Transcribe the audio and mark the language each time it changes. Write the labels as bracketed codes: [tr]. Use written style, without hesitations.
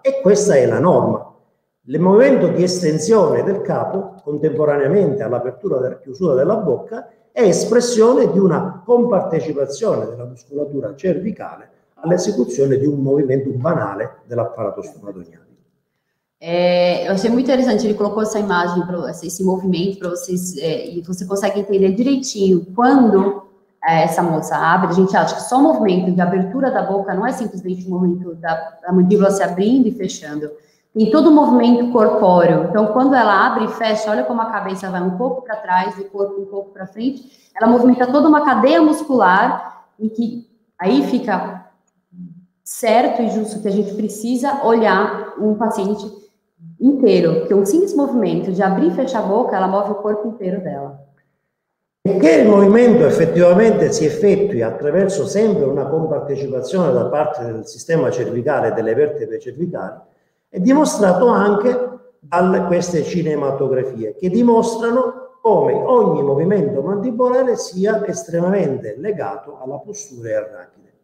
[it] E questa è la norma. Il movimento di estensione del capo, contemporaneamente all'apertura e chiusura della bocca, è espressione di una compartecipazione della muscolatura cervicale all'esecuzione di un movimento banale dell'apparato stomatognato. [pt] Eu achei muito interessante, ele colocou essa imagem, esse movimento para vocês, e você consegue entender direitinho quando essa moça abre. A gente acha que só o movimento de abertura da boca não é simplesmente o movimento da mandíbula se abrindo e fechando, tem todo o movimento corpóreo. Então, quando ela abre e fecha, olha como a cabeça vai um pouco para trás e o corpo um pouco para frente, ela movimenta toda uma cadeia muscular, e que aí fica certo e justo que a gente precisa olhar um paciente inteiro, que um simples movimento de abrir e fechar a boca, ela move o corpo inteiro dela. E que o movimento efetivamente se [it] effettui attraverso sempre una compartecipazione da parte del sistema cervicale e delle vertebre cervicali, è dimostrato anche da queste cinematografie, che dimostrano come ogni movimento mandibolare sia estremamente legato alla postura e al rachide.